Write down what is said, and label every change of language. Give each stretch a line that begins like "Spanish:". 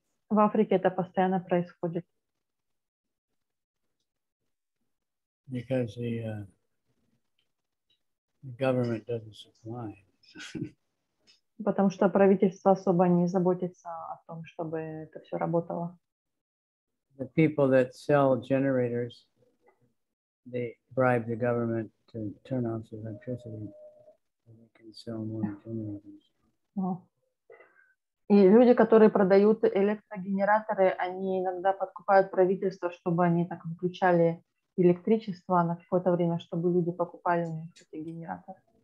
Russian: В Африке это постоянно происходит.
English: Because the government doesn't supply.
Russian: Потому что правительство особо не заботится о том, чтобы это все работало.
English: The people that sell generators, they bribe the government to turn off the electricity so they can sell more generators.
Russian: И люди, которые продают электрогенераторы, они иногда подкупают правительство, чтобы они так выключали электричество на какое-то время, чтобы люди покупали у них эти генераторы.